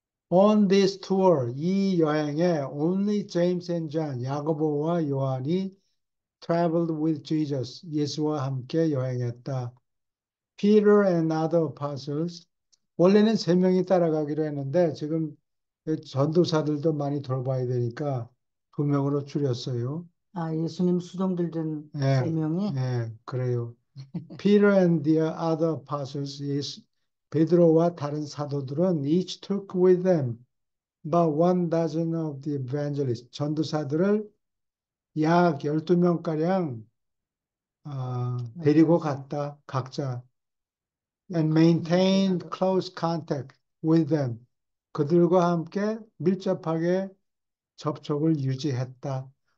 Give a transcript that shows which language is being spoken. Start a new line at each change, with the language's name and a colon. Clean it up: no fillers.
English: On this tour,
Korean: 이 여행에
English: only James and John,
Korean: 야고보와 요한이
English: traveled with Jesus,
Korean: 예수와 함께 여행했다.
English: Peter and other apostles,
Korean: 원래는 세 명이 따라가기로 했는데 지금 전도사들도 많이 돌봐야 되니까 두 명으로 줄였어요. 아, 예수님 수종들 된세 명이? 그래요.
English: Peter and the other apostles,
Korean: 베드로와 다른 사도들은
English: each took with them but one dozen of the evangelists.
Korean: 전도사들을 약 12명가량 데리고 12명. 갔다, 각자.
English: And maintained close contact with them.
Korean: 그들과 함께 밀접하게 접촉을 유지했다.